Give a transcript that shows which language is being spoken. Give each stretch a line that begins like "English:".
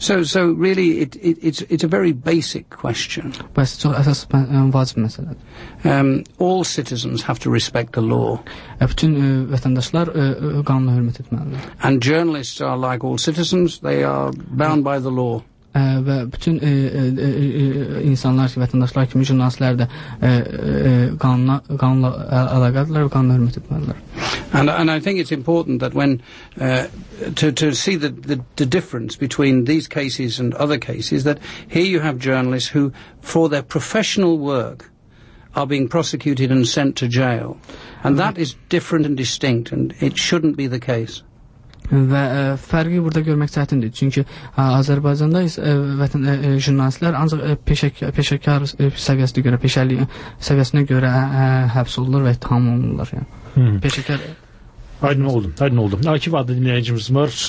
English: So really it's a very basic question.
Azerbaijani: Bəs çox əsas vacib məsələdir.
English: All citizens have to respect the law.
Azerbaijani: Bütün vətəndaşlar qanuna hörmət etməlidir.
English: And journalists are like all citizens, they are bound by the law.
Azerbaijani: Və bütün insanlar ki, vətəndaşlar kimi jurnalistlər də qanunla əlaqədirlər və qanuna hörmət etməlidirlər.
English: And I think it's important that when to see the difference between these cases and other cases, that here you have journalists who for their professional work are being prosecuted and sent to jail. And that is different and distinct and it shouldn't be the case.
Azerbaijani: Və fərqi burada görmək çətindir. Çünki Azərbaycanda vətən jurnalistlər ancaq peşəkar peşəliyə səviyyəsinə görə həbs olunurlar və ittiham olunurlar. Yəni. Hmm. Peşəkar... Aydın oldum. Akif adlı dinləyicimiz var.